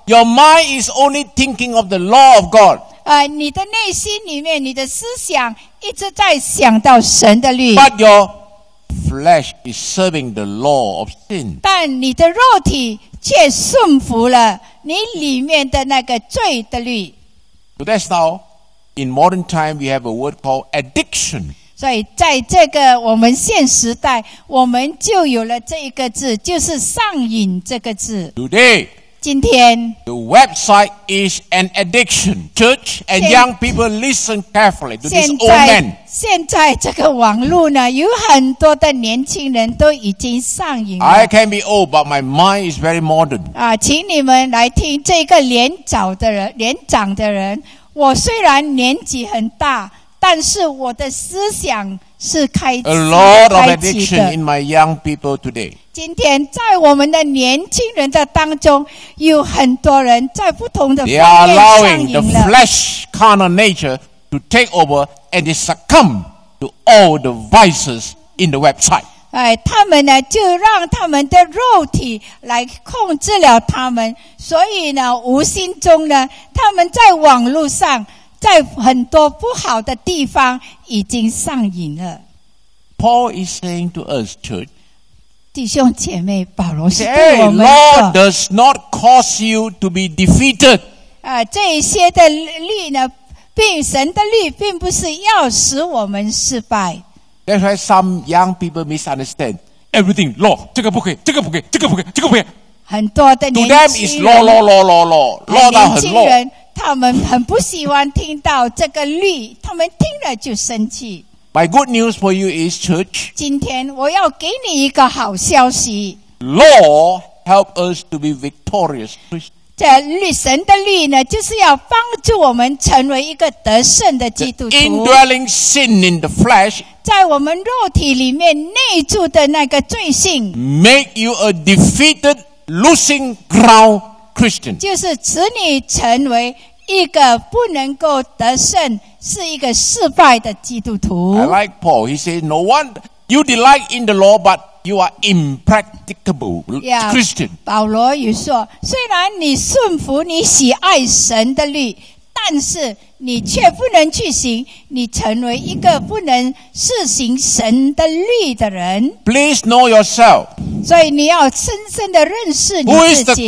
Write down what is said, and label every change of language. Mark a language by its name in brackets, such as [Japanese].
[English] Your mind is only thinking of the law of God. [Chinese] 你的内心里面，你的思想一直在想到神的律。 [English] But your flesh is serving the law of sin. [Chinese] 但你的肉体却顺服了你里面的那个罪的律。 [English] So that's now, in modern time, we have a word called addiction. [Chinese] 所以在这个我们现时代，我们就有了这一个字，就是上瘾这个字。 [English] Today, [Chinese] 今天 [English] the website is an addiction. Church and young people, listen carefully to this old man. [Chinese] 现在这个网络呢，有很多的年轻人都已经上瘾了。 [English] I can be old, but my mind is very modern. [Chinese] 请你们来听这个年长的人。我虽然年纪很大，但是我的思想是开启的。 [English] A lot of addiction in my young people today. [Chinese] 今天在我们的年轻人的当中，有很多人在不同的方面上瘾了。 [English] They are allowing the flesh carnal nature to take over and they succumb to all the vices in the website. [Chinese] 他们呢就让他们的肉体来控制了他们，所以呢无心中呢，他们在网络上，在很多不好的地方已经上瘾了。 [English] Paul is saying to us, church, [Chinese] 弟兄姐妹，保罗是对我们说 [English] hey, Lord does not cause you to be defeated. [Chinese] 这些的律呢，并神的律并不是要使我们失败。 [English] That's why some young people misunderstand everything. [Chinese] Law, 这个不可以，这个不可以，这个不可以，这个不可以。很多的年轻人 [English] to them is law, law, law, law, law, law, law, [Chinese] 很 [English] law。 [Chinese] 他们很不喜欢听到这个律，他们听了就生气。 [English] My good news for you is, church. [Chinese] 今天我要给你一个好消息。 [English] Law help us to be victorious. [Chinese] 这律神的律呢，就是要帮助我们成为一个得胜的基督徒。 [English] The indwelling sin in the flesh. [Chinese] 在我们肉体里面内住的那个罪性。 [English] Make you a defeated, losing ground. Christian. [Chinese] 就是使你成为一个不能够得胜，是一个失败的基督徒。 [English] I like Paul. He says, "No one, you delight in the law, but you are impracticable Christian." [Chinese] 保罗也说，虽然你顺服，你喜爱神的律，但是你却不能去行，你成为一个不能施行神的律的人。 [English] Please know yourself. [Chinese] 所以你要深深的认识你自己。